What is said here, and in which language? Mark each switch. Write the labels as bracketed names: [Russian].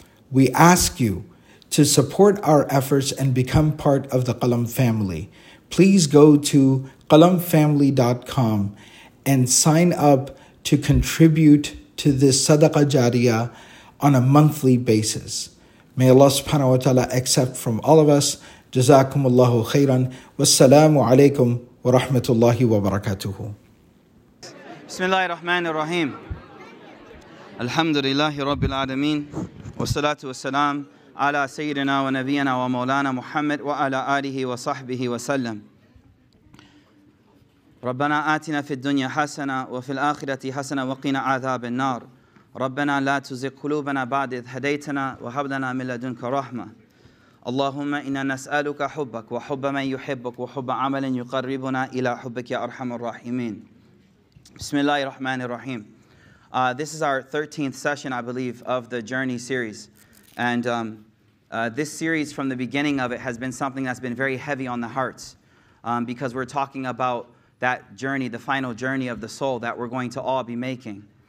[English] We ask you to support our efforts and become part of the Qalam family. Please go to qalamfamily.com and sign up to contribute to this Sadaqah Jariyah on a monthly basis. May Allah subhanahu wa ta'ala accept from all of us. [Arabic] جزاكم الله خيرا والسلام عليكم ورحمة الله وبركاته. بسم الله الرحمن الرحيم. الحمد لله رب العالمين والصلاة والسلام على سيدنا ونبينا ومولانا محمد وعلى آله وصحبه وسلم. ربنا آتنا في الدنيا حسنة وفي الآخرة حسنة وقنا عذاب النار. ربنا لا تزغ قلوبنا بعد إذ هديتنا وهب لنا من لدنك رحمة. اللهم إنا نسألك حبك وحب من يحبك وحب عمل يقربنا إلى حبك يا أرحم الراحمين. بسم الله الرحمن الرحيم. [English] This is our 13th session, I believe, of the Journey series. And this series, from the beginning of it, has been something that's been very heavy on the hearts. Because we're talking about that journey, the final journey of the soul that we're going to all be making.